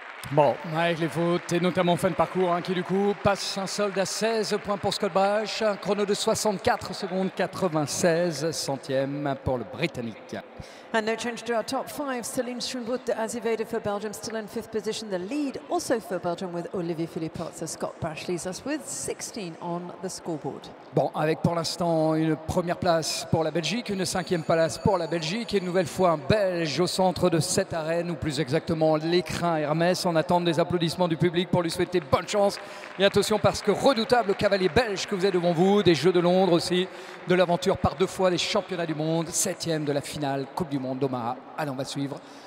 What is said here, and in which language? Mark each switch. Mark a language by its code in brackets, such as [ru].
[fr] Bon, avec les fautes et notamment fin de parcours qui du coup passe un solde à 16 points pour Scott Brash, un chrono de 64 secondes 96 centièmes pour le Britannique. [en] And no change to our top five. Céline Schoenbrunn de Azevedo for Belgium, still in fifth position. The lead also for Belgium with Olivier Philippartz. Scott Brash leads us with 16 on the scoreboard. [fr] Bon, avec pour l'instant une première place pour la Belgique, une cinquième place pour la Belgique et une nouvelle fois un Belge au centre de cette arène, ou plus exactement l'écrin Hermès. En attente des applaudissements du public pour lui souhaiter bonne chance. Et attention, parce que redoutable cavalier belge que vous êtes devant vous, des Jeux de Londres aussi, de l'aventure par deux fois des championnats du monde, septième de la finale Coupe du Monde d'Omaha. Allez, on va suivre